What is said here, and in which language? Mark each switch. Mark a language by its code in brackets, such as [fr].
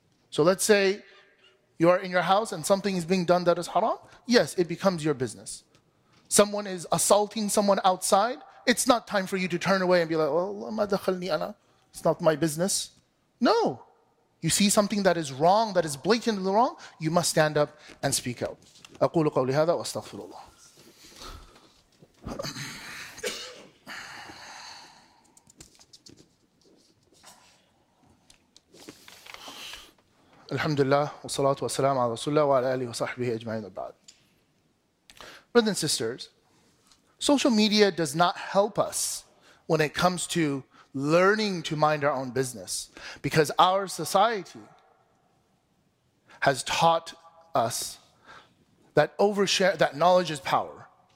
[en] So let's say you are in your house and something is being done that is haram. Yes, it becomes your business. Someone is assaulting someone outside. It's not time for you to turn away and be like, "Oh, [ar] ما دخلني أنا. [en] It's not my business." No. You see something that is wrong, that is blatantly wrong, you must stand up and speak out. [ar] أقول قولي هذا وأستغفر الله. الحمد لله والصلاة والسلام على رسول الله وعلى آله وصحبه أجمعين وبعد. [en] Brothers and sisters, social media does not help us when it comes to learning to mind our own business, because our society has taught us that overshare, that knowledge is power.